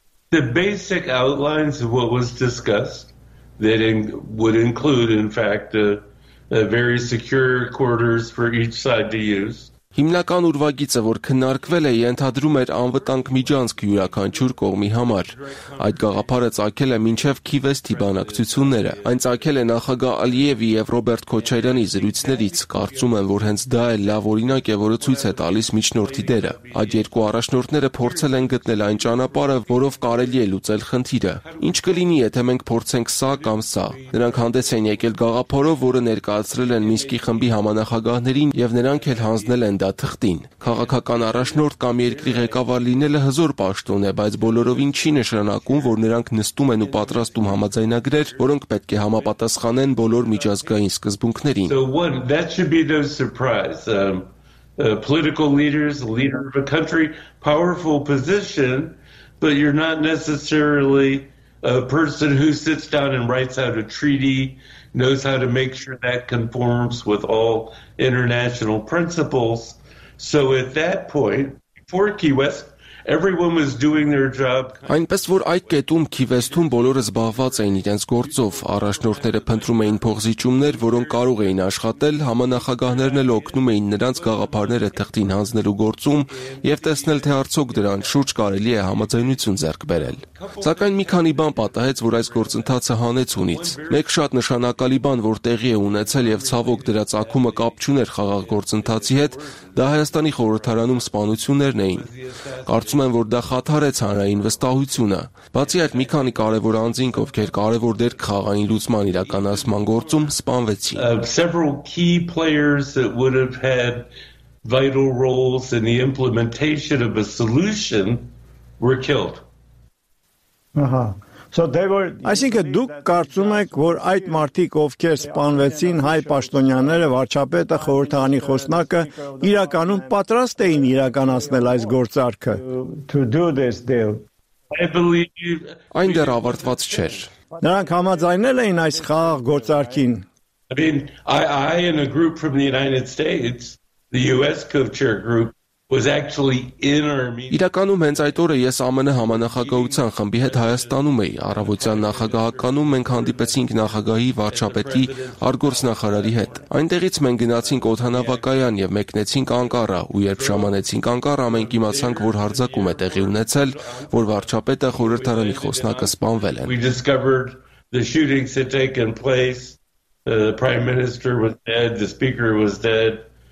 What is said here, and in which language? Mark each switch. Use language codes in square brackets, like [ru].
[en] The basic outlines of what was discussed that would include, in fact, a very secure quarters for each side to use. [hy] Հիմնական ուրվագիծը, որ քննարկվել է, ենթադրում էր անվտանգ միջանցք յուրաքանչյուր կողմի համար։ Այդ գաղափարը ծագել է մինչև Քիվեստի բանակցությունները։ Այն ծագել է նախագահ Ալիևի եւ Ռոբերտ Քոչարյանի զրույցներից։ Կարծում եմ, որ հենց դա է լավ օրինակ, որը ցույց է տալիս միջնորդի դերը։ Այդ երկու առաջնորդները փորձել են գտնել այն ճանապարհը, որով կարելի է լուծել խնդիրը։ Ինչ կլինի, եթե մենք փորձենք սա կամ սա։ Նրանք հանդես են եկել գաղափարով, որը ներկայացրել են Մինսկի խմբի համանախագահներին, եւ նրանք էլ հանձնել են դա թղթին։ Քաղաքական առաջնորդ կամ երկրի ղեկավար լինելը հզոր պաշտոն է, բայց բոլորովին չի նշանակում, որ նրանք նստում են ու պատրաստում համաձայնագրեր, որոնք պետք է համապատասխանեն բոլոր միջազգային սկզբունքներին։ [en] So what, that should be no surprise. Political leaders, leader of a country, powerful position, but you're not necessarily a person who sits down and writes out a treaty, knows how to make sure that conforms with all international principles. So at that point, for Kiwest, everyone was doing their job. [hy] Այնպես որ այդ կետում Քիվեստում բոլորը զբաղված էին իրենց գործով, առաջնորդները փնտրում էին փոխզիջումներ, որոնք կարող էին աշխատել, համանախագահներն էլ օգնում էին նրանց գաղափարները թղթին հանձնելու գործում եւ տեսնել, թե արդյոք դրան շուրջ կարելի է համաձայնություն ձեռք բերել։ Սակայն մի քանի բան պատահեց, որ այս գործընթացը հանեցունից։ Մեկ շատ նշանակալի բան, որ տեղի է ունեցել եւ ցավոք դրա ցակումը կապ չուներ խաղաղ գործընթացի հետ, դա Հայաստանի խորհրդարանում սպանություններն էին։ Կարծում եմ, որ դա խաթարեց հանրային վստահությունը։ Բացի այդ, մի քանի կարևոր անձինք, ովքեր կարևոր դեր խաղային լուծման իրականացման գործում, սպանվեցին։ [en] Several key players that would have had vital roles in the implementation of a solution were killed. Ահա։ So they were [hy] Այսինքն դուք կարծում եք, որ այդ մարդիկ, ովքեր սպանվեցին, հայ պաշտոնյաները, վարչապետը, խորհրդարանի խոսնակը, իրականում պատրաստ էին իրականացնել այս գործարքը։ [en] To do this deal. I believe [hy] Այն դեռ ավարտված չէր։ Նրանք համաձայնել էին այս խաղաղ գործարքին։ [en] I mean, I and a group from the United States, the US co-chair group was actually in Armenia. [hy] Իրականում հենց այդ օրը ես ԱՄՆ համանախագահության խմբի հետ Հայաստանում էի։ Առավոտյան նախագահականում մենք հանդիպեցինք նախագահի վարչապետի արգորսնախարարի հետ։ Այնտեղից մենք գնացինք օթանավակայան եւ մեկնեցինք Անկարա, ու երբ ժամանեցինք Անկարա, մենք իմացանք, որ հարձակում է տեղի ունեցել, որ վարչապետը խորհրդարանի խոսնակը սպանվել են։ [en] We discovered the shootings had taken place. The prime minister was dead, the speaker was dead.